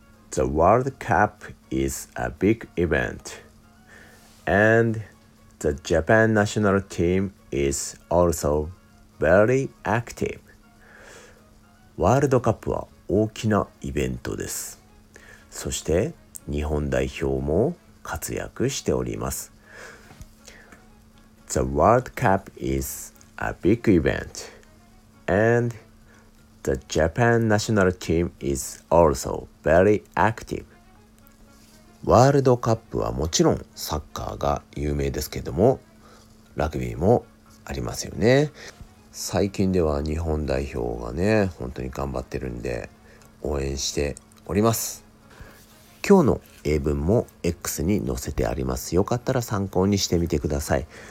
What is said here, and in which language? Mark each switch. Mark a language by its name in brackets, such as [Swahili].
[English] The World Cup is a big event and the Japan national team is also very active。 [Japanese] ワールドカップは大きなイベントです。そして日本代表も活躍しております。 [English] The World Cup is a big event andThe Japan national team is also very active。 [Japanese] ワールドカップはもちろんサッカーが有名ですけども、ラグビーもありますよね。最近では日本代表がね、本当に頑張ってるんで応援しております。今日の英文も X に載せてあります。よかったら参考にしてみてください。